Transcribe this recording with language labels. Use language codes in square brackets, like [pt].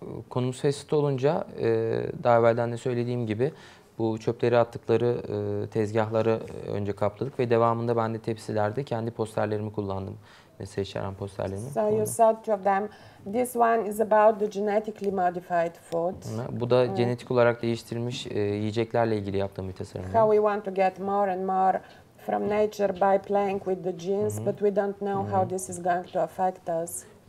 [tr] Konumuz fast food olunca daha evvelden de söylediğim gibi bu çöpleri attıkları tezgahları önce kapladık ve devamında ben de tepsilerde kendi posterlerimi kullandım. Mesela içeren posterlerimi. [en] So you saw two of them. This one is about the genetically modified food. [tr] Bu da genetik olarak değiştirilmiş yiyeceklerle ilgili yaptığım bir tasarım. [en] How we want to get more and more from nature by playing with the genes, but we don't know how this is going to affect us.